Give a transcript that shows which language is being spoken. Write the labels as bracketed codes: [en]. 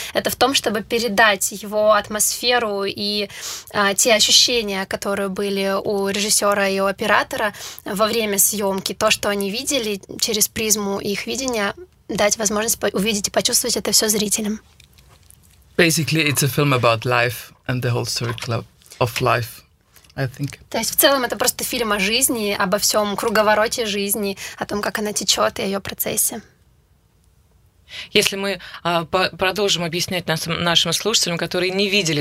[ru] Это в том, чтобы передать его атмосферу и те ощущения, которые были у режиссера и у оператора во время съемки, то, что они видели через призму их видения, дать возможность увидеть и почувствовать это все зрителям. [en] Basically, it's a film about life and the whole circle of life, I think. [ru] То есть в целом это просто фильм о жизни, обо всем круговороте жизни, о том, как она течет и о ее процессе. Если мы продолжим объяснять нашим слушателям, которые не видели,